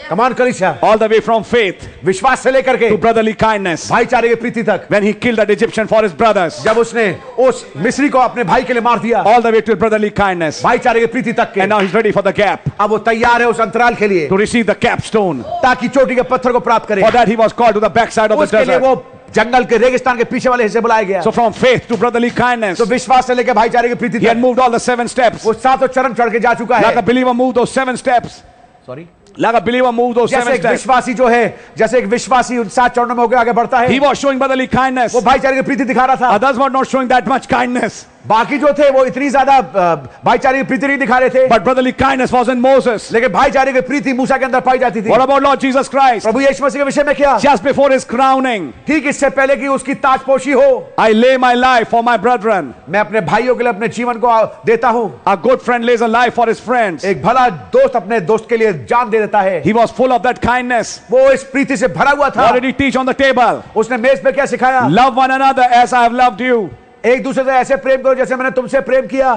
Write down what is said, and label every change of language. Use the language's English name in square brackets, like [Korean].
[English] Come on, कलीसिया. All the way from faith, [Hindi] विश्वास से लेकर के, [English] to brotherly kindness, [Hindi] भाईचारे के प्रीति तक. [English] When he killed that Egyptian for his brothers, [Hindi] जब उसने उस मिस्री को अपने भाई के लिए मार दिया. [English] All the way to brotherly kindness, [Hindi] भाईचारे के प्रीति तक के. [English] And now he's ready for the gap. [Hindi] अब वो तैयार है उस अंतराल के लिए. [English] To receive the capstone, [Hindi] ताकि चोटी के पत्थर को प्राप्त करे. [English] For that he was called to the backside of the desert. [Hindi] उसके लिए वो जंगल के रेगिस्तान के पीछे वाले हिस्से बुलाया गया. [English] So from faith to brotherly kindness. [Hindi] तो विश्वास से लेके भाईचारे के प्रीति तक. [English] He had moved all the seven steps. [Hindi] वो सातों चरण चढ़ के जा चुका है. [English] Like a believer moved those seven steps. Sorry. Like a believer moved those seven steps. [Hindi] जैसे एक विश्वासी जो है, जैसे एक विश्वासी उन सात चरणों में होकर आगे बढ़ता है. [English] He was showing brotherly kindness. [Hindi] वो भाईचारे की प्रीति दिखा रहा था. [English] Others were not showing that much kindness. [Hindi] बाकी जो थे वो इतनी ज्यादा भाईचारे की प्रीति नहीं दिखा रहे थे. [English] But brotherly kindness was in Moses. [Hindi] लेकिन भाईचारे की प्रीति मूसा के अंदर पाई जाती थी. [English] What about Lord Jesus Christ? [Hindi] प्रभु यीशु मसीह के विषय में क्या? [English] Just before his crowning. [Hindi] ठीक इससे पहले कि उसकी ताजपोशी हो. [English] I lay my life for my brethren. [Hindi] मैं अपने भाइयों के लिए अपने जीवन को देता हूँ. [English] A good friend lays a life for his friends. [Hindi] एक भला दोस्त अपने दोस्त के लिए जान दे देता है. [English] He was full of that kindness. [Hindi] वो इस प्रीति से भरा हुआ था. [English] What did he teach on the table? [Hindi] उसने मेज पे क्या सिखाया? [English] Love one another as I have loved you. [Hindi] एक दूसरे से ऐसे प्रेम करो जैसे मैंने तुमसे प्रेम किया.